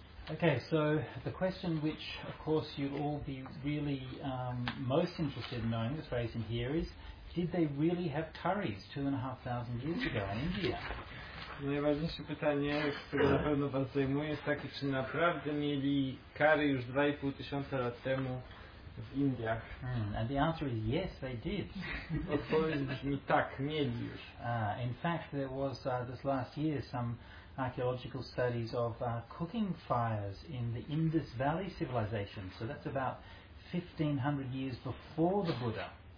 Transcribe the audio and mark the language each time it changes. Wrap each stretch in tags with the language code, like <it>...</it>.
<en>Okay, so the question which, of course, you'd all be really most interested in knowing, is raised in here, is did they really have curries 2,500 years ago in India?</en> <pl>Najważniejsze pytanie, które na pewno was zajmuje, jest takie, czy naprawdę mieli curry już 2,500 lat temu w Indiach?</pl> <en>And the answer is yes, they did.</en> <pl>Odpowiedź brzmi tak, mieli już.</pl> <en>In fact, there was this last year some archaeological studies of cooking fires in the Indus Valley civilization. So that's about 1,500 years before the Buddha.</en>